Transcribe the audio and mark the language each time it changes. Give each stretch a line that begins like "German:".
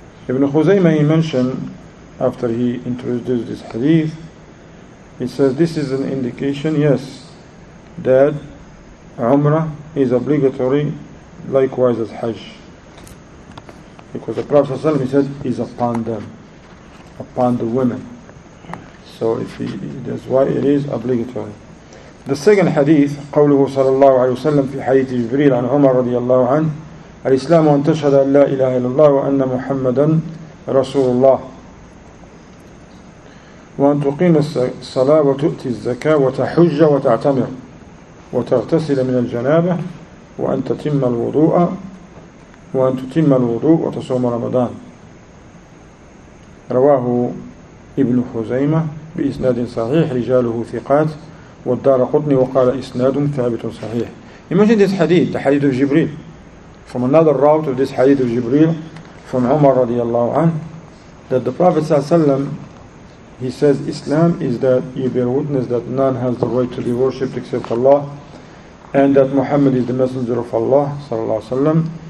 English: ابن خزيمة he mentioned after he introduced this hadith, he says this is an indication, yes, that Umrah is obligatory, likewise as Hajj. Because the Prophet ﷺ, he said, is upon them, upon the women. So that's why it is obligatory. The second hadith,
Arabic: قوله صلى الله عليه وسلم في حديث جبريل عن عمر رضي الله عنه الإسلام أن تشهد أن لا إله إلا الله وأن محمدا رسول الله وأن تقيم الصلاة وتؤتي الزكاة وتحج وتعتمر وتغتسل من الجنابة وأن تتم الوضوء وأن تتم الوضوء وتصوم رمضان. رواه ابن خزيمة بإسناد صحيح رجاله ثقات والدارقطني وقال إسناد ثابت صحيح.
English: Imagine this hadith, the hadith of Jibreel, from another route of this hadith of Jibreel from Umar
Arabic: رضي الله عنه,
English: that the Prophet
Arabic: صلى الله عليه وسلم,
English: he says Islam is that you bear witness that none has the right to be worshipped except Allah, and that Muhammad is the Messenger of Allah صلى الله عليه وسلم.